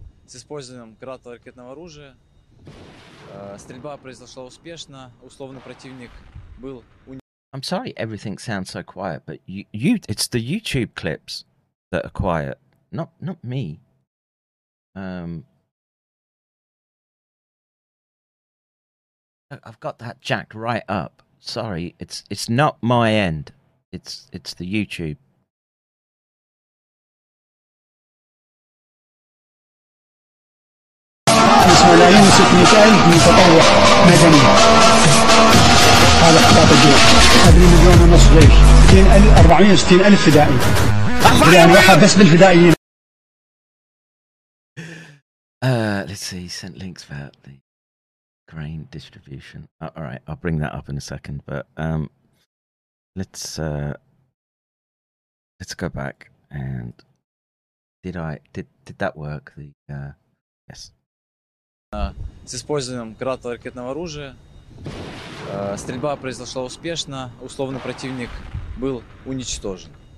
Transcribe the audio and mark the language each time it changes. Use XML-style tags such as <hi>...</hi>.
<ru>с использованием гранатно-ракетного оружия. Стрельба произошла успешно. Условный противник был уничтожен.</ru> <en>I'm sorry everything sounds so quiet, but you it's the YouTube clips that are quiet, not me. I've got that jacked right up. Sorry, it's not my end. It's the YouTube. Let's see, sent links about the grain distribution. All right, I'll bring that up in a second, but let's go back and did that work? The yes.</en> <ru>С использованием гранатно-ракетного оружия. Стрельба произошла успешно. Условный противник был уничтожен.</ru>